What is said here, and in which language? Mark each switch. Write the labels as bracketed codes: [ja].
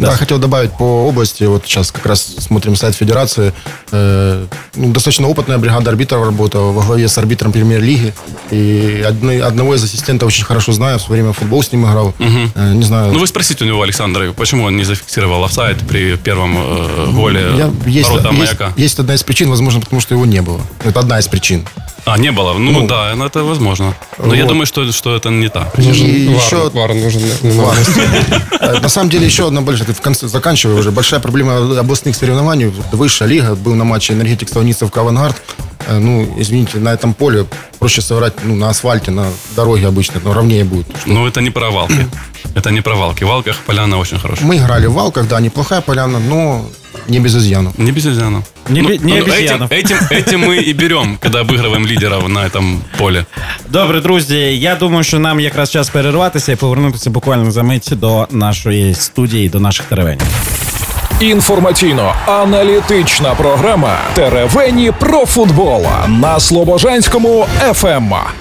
[uk] Я хотів додати по області, от зараз якраз смотрим сайт федерації, достатньо опитна бригада арбітрів працює в голові з арбітром прем'єр-ліги. І одного з асистентів дуже добре знаю, в своє время футбол з ним грав. Не знаю. Ну ви спросіть у нього, Олександре, чому він не [ru] зафиксировал офсайд при первом голе [uk] ворота Маяка. [ru] Есть одна из причин, возможно, потому что его не было. Это одна из причин. А, не было? Ну, да, но это возможно. Но вот. Я думаю, что это не так. Вар нужен. Вар. На самом деле, еще одна большая, ты в конце заканчивай уже, большая проблема областных соревнований. Высшая лига, был на матче Энергетик Славница в Кавангард. Ну, извините, на этом поле проще соврать, ну, на асфальте, на дороге обычно, но ровнее будет. Ну, это не про валки. Это не про валки. В валках поляна очень хорошая. Мы играли в валках, да, неплохая поляна, но не без изъяна. Не без изъяна. Этим мы и берем, когда обыгрываем лидеров на этом поле. [uk] Добре, друзі, я думаю, що нам якраз час перерватися і повернутися буквально за мить до нашої студії, до наших теревень. Інформаційно-аналітична програма «Теревені про футбол» на Слобожанському FM.